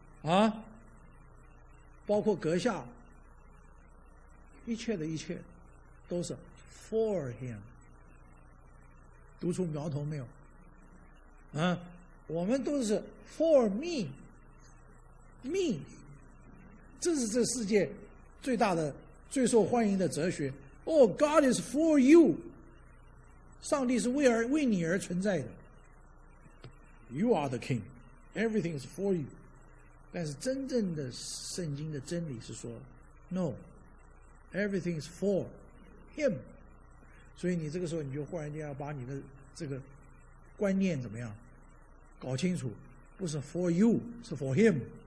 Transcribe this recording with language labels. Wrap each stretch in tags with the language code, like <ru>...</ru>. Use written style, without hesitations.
<zh>啊，包括阁下，一切的一切都是 for him。读出苗头没有？啊，我们都是 for me。me， 这是这世界最大的最受欢迎的哲学。</zh> <en>Oh, God is for you，</en> <zh>上帝是为你而存在的。</zh> <en>You are the king， everything is for you。</en> <zh>但是真正的圣经的真理是说</zh> <en>No， everything is for him。</en> <zh>所以你这个时候你就忽然间要把你的这个观念怎么样搞清楚，不是 for you， 是 for him。</zh>